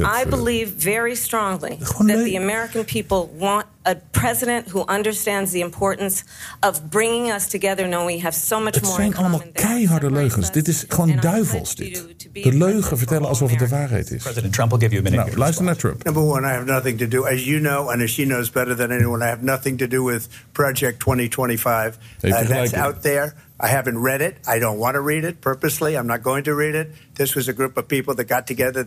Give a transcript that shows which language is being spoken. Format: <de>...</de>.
<en>I believe very strongly that the American people want a president who understands the importance of bringing us together, knowing we have so much</en> <nl>het</nl> <en>more</en> <nl>in common. Het zijn allemaal keiharde leugens. Dit is gewoon duivels, dit. De leugen vertellen alsof het de waarheid is.</nl> <en>President Trump will give you a minute.</en> <nl>Nou, luister naar Trump.</nl> <en>Number one, I have nothing to do, as you know, and as she knows better than anyone, I have nothing to do with Project 2025. That's out there. I haven't read it. I don't want to read it purposely. I'm not going to read it. This was a group of people that got together.</en>